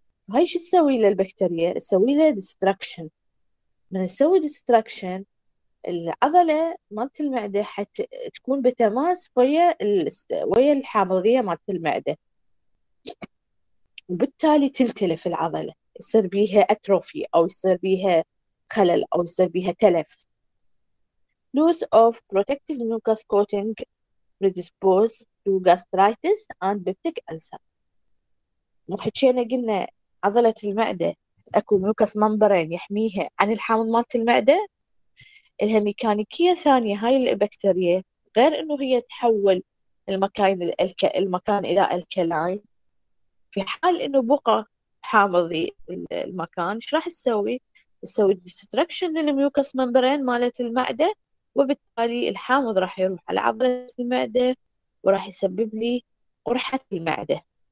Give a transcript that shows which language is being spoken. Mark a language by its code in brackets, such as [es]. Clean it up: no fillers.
[ar] هاي شو تسوي للبكتيريا؟ تسوي له ديستراكشن. من تسوي ديستراكشن العضلة مالت المعدة حتكون بتماس ويا الحامضية مالت المعدة، وبالتالي تنتلف العضلة، يصير بيها أتروفي أو يصير بيها خلل أو يصير بيها تلف. [en] Loss of protective mucus coating predispose to gastritis and peptic ulcer. [ar] وحكينا قلنا عضلة المعدة أكو ميوكس ممبرين يحميها عن الحامض مالت المعدة، لها ميكانيكية ثانية هاي البكتيريا، غير إنه هي تحول المكان إلى الكلاين. في حال انه بقى حامضي المكان، ايش راح تسوي؟ تسوي ديستركشن للميوكس ممبرين مالت المعده، وبالتالي الحامض راح يروح على عضله المعده وراح يسبب لي قرحه المعده.